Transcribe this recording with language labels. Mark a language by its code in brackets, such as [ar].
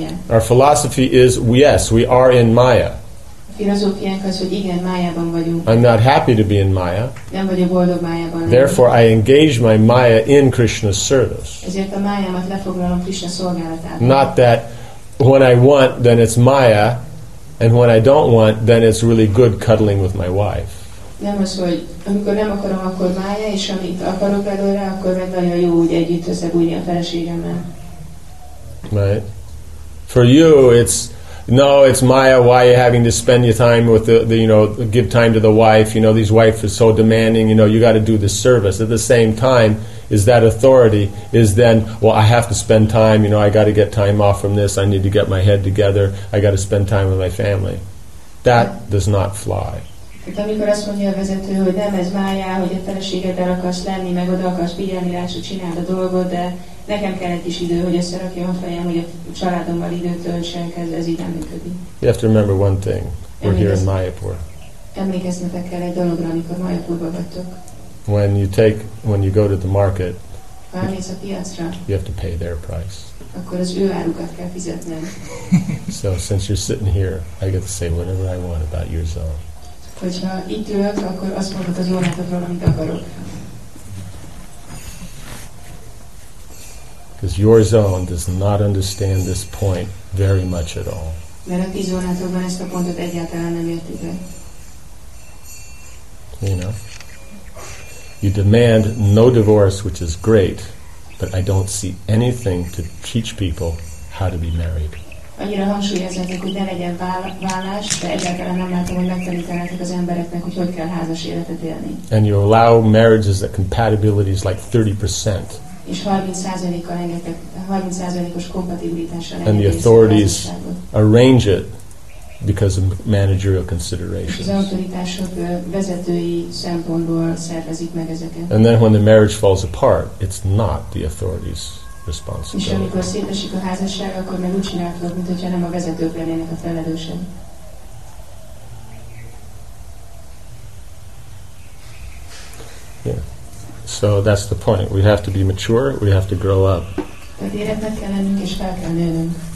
[en] Our philosophy is, yes, we are in Maya. I'm not happy to be in Maya. Therefore, I engage my Maya in Krishna's service. Not that when I want, then it's Maya, and when I don't want, then it's really good cuddling with my wife. [hu] Nem az, hogy amikor nem akarom, akkor Maya, és amit akarok előre, akkor meg nagyon jó, hogy együtt összebújni a feleségemmel. [en] Right. For you, it's no, it's Maya. Why are you having to spend your time with the, you know, give time to the wife? You know, these wife is so demanding. You know, you got to do the service. At the same time, is that authority is then, well, I have to spend time. You know, I got to get time off from this. I need to get my head together. I got to spend time with my family. That does not fly. [hu] Tehát amikor azt mondja a vezető, hogy nem ez Maya, hogy a feleségeddel akarsz lenni, meg oda akarsz figyelni rá, hogy csináld a dolgot, de nekem kell egy kis idő, hogy összerakjam a fejem, hogy a családommal időt töltsen, ez így nem működik. [en] You have to remember one thing. We're here in Mayapur. [hu] Emlékeznetek kell egy dologra, amikor Mayapurba vagytok. [en] When you go to the market, [hu] elmész a piacra, [en] you have to pay their price. [hu] Akkor az ő árukat kell fizetnem. [en] So since you're sitting here, I get to say whatever I want about your zone. [hu] Hogyha itt ülök, akkor azt mondhat az Úrnátokról, amit akarok. [en] Because your zone does not understand this point very much at all. [hu] Mert a ti zónátokban ezt a pontot egyáltalán nem értik el. [en] You know? You demand no divorce, which is great, but I don't see anything to teach people how to be married. [hu] Annyira hangsúlyozzátok, hogy ne legyen válás, de egyáltalán nem látom, hogy megtanítanátok az embereknek, hogy hogy kell házas életet élni. [en] And you allow marriages that compatibility is like 30%. [hu] És 30%-kal engedtek, 30%-os kompatibilitással engedtek. [en] And the authorities arrange it because of managerial considerations. [hu] Az autoritások vezetői szempontból szervezik meg ezeket. [en] And then when the marriage falls apart, it's not the authorities' responsibility. [hu] És amikor szétesik a házasság, akkor meg úgy csináltok, mint hogyha nem a vezetők lennének a felelősen. [en] Yeah. So that's the point. We have to be mature, we have to grow up. [hu] Tehát életnek kell lennünk és fel kell nőnünk.